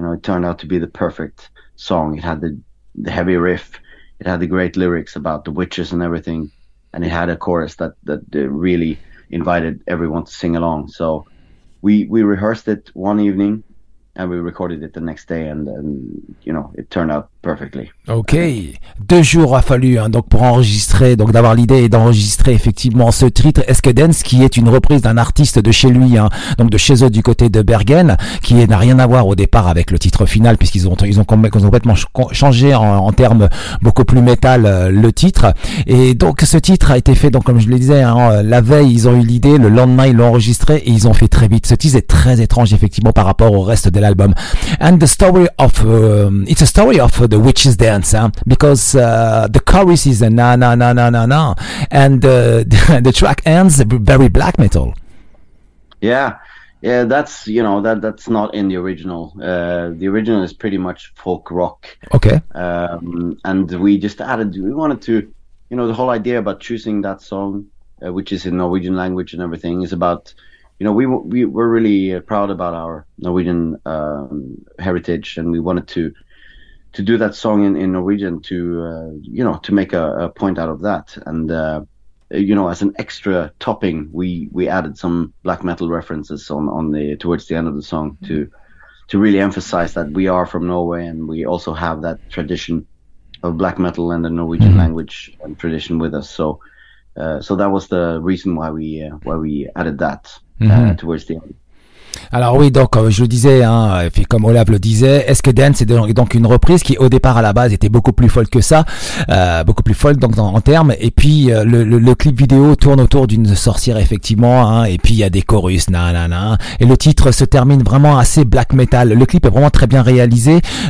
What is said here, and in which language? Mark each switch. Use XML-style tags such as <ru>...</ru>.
<en>You know, it turned out to be the perfect song. It had the heavy riff. It had the great lyrics about the witches and everything, and it had a chorus that really invited everyone to sing along. So we rehearsed it one evening and we recorded it the next day, and you know, it turned out perfectly. Okay.</en> <fr>Deux jours a fallu, hein, donc pour enregistrer, donc d'avoir l'idée et d'enregistrer effectivement ce titre Hexdance, qui est une reprise d'un artiste de chez lui, hein, donc de chez eux du côté de Bergen, qui n'a rien à voir au départ avec le titre final, puisqu'ils ont complètement changé en termes beaucoup plus métal le titre. Et donc ce titre a été fait, donc comme je le disais, hein, la veille ils ont eu l'idée, le lendemain ils l'ont enregistré et ils ont fait très vite. Ce titre est très étrange effectivement par rapport au reste de l'album.</fr> <en>And the story of it's a story of the witches dance, huh? Because the chorus is a na na na na na na, and the track ends very black metal. Yeah, that's, you know, that's not in the original. The original is pretty much folk rock. Okay. And we just added, we wanted to, you know, the whole idea about choosing that song, which is in Norwegian language and everything, is about, you know, we were really proud about our Norwegian heritage, and we wanted to do that song in Norwegian to make a point out of that. And, you know, as an extra topping, we added some black metal references towards the end of the song to really emphasize that we are from Norway, and we also have that tradition of black metal and the Norwegian language and tradition with us. So that was the reason why we added that towards the end.</en> <fr>Alors oui, donc je le disais, hein, fait comme Olaf le disait, Esque Dance est donc une reprise qui au départ à la base était beaucoup plus folle que ça, beaucoup plus folle donc en termes. Et puis le clip vidéo tourne autour d'une sorcière effectivement, hein, et puis il y a des chorus, nanana. Et le titre se termine vraiment assez black metal. Le clip est vraiment très bien réalisé.</fr>